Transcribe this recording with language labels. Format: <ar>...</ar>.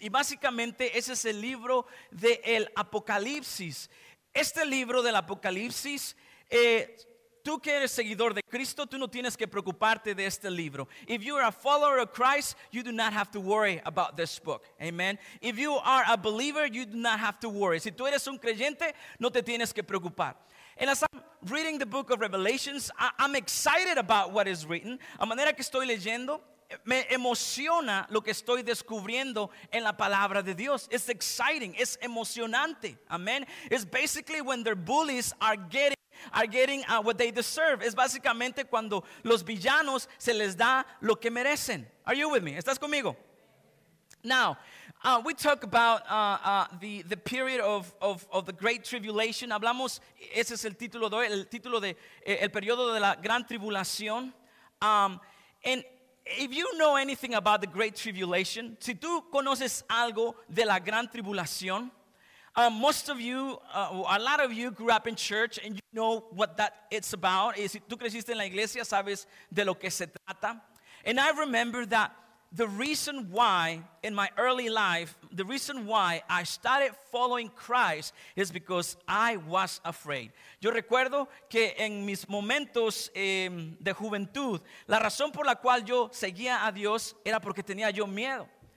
<es>Y básicamente, ese es el libro de el Apocalipsis. Este libro del Apocalipsis, tú que eres seguidor de Cristo, tú no tienes que preocuparte de este libro.</es> <en>If you are a follower of Christ, you do not have to worry about this book. Amen. If you are a believer, you do not have to worry.</en> <es>Si tú eres un creyente, no te tienes que preocupar.</es> <en>And as I'm reading the book of Revelations, I'm excited about what is written.</en> <es>A manera que estoy leyendo, me emociona lo que estoy descubriendo en la palabra de Dios.</es> <en>It's exciting. It's emocionante. Amen. It's basically when their bullies are getting what they deserve.</en> <es>Es básicamente cuando los villanos se les da lo que merecen.</es> <en>Are you with me?</en> <es>¿Estás conmigo?</es> <en>Now, we talk about the period of the Great Tribulation.</en> <es>Hablamos, ese es el título de hoy, el título de el periodo de la Gran Tribulación.</es> <en>And if you know anything about the Great Tribulation,</en> <es>si tú conoces algo de la Gran Tribulación,</es> <en>most of you, a lot of you grew up in church and you know what that it's about.</en> <es>Y si tú creciste en la iglesia, sabes de lo que se trata.</es> <en>And I remember that the reason why in my early life, the reason why I started following Christ is because I was afraid.</en> <es>Yo recuerdo que en mis momentos de juventud, la razón por la cual yo seguía a Dios era porque tenía yo miedo.</es>